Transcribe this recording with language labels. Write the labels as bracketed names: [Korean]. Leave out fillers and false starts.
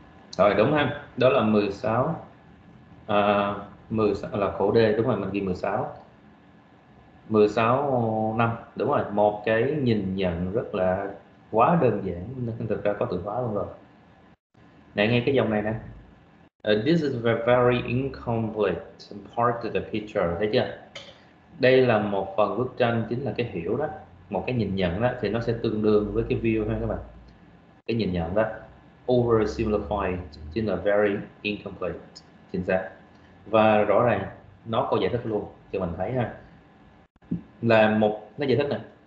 [Vietnamese] Rồi đúng ha, đó là 16. 16 là khổ D, đúng rồi, mình ghi 16. 16 năm, đúng rồi, một cái nhìn nhận rất là quá đơn giản, thực ra có từ khóa luôn rồi. Này nghe cái dòng này nè. [English] This is a very incomplete part of the picture. [Vietnamese] Thấy chưa? Đây là một phần bức tranh, chính là cái hiểu đó, một cái nhìn nhận đó, thì nó sẽ tương đương với cái view ha các bạn. Cái nhìn nhận đó, oversimplified, chính là [English] very incomplete. [Vietnamese] Chính xác. Và rõ ràng nó có giải thích luôn cho mình thấy ha. Là một nó giải thích nè.